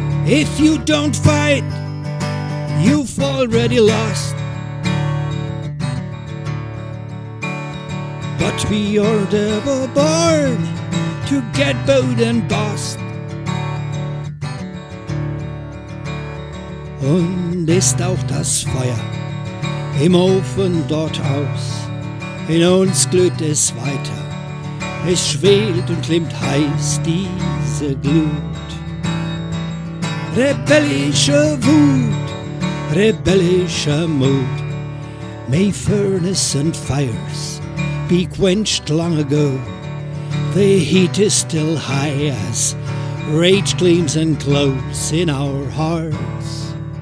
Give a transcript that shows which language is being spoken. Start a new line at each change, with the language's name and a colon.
English: If you don't fight, you've already lost. But we are never born to get bowed and bossed.
German: Und ist auch das Feuer im Ofen dort aus. In uns glüht es weiter, es schwelt und klimmt heiß, diese Glut. Rebellische Wut, rebellischer Mut.
English: May furnace and fires be quenched long ago. The heat is still high as rage gleams and glows in our hearts.